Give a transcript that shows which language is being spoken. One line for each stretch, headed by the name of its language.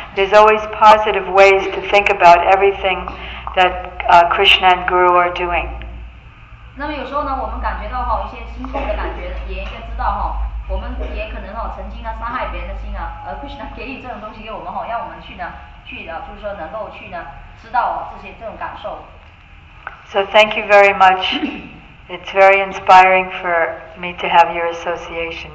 English: There's always positive ways to think about everything that Krishna and Guru are doing.
Chinese: 那么有时候呢，我们感觉到哈一些心痛的感觉，也应该知道哈，我们也可能哈曾经呢伤害别人的心啊，而 Krishna 给予这种东西给我们哈，让我们去呢去的，就是说能够去呢知道这些这种感受。
English: So thank you very much. It's very inspiring for me to have your association.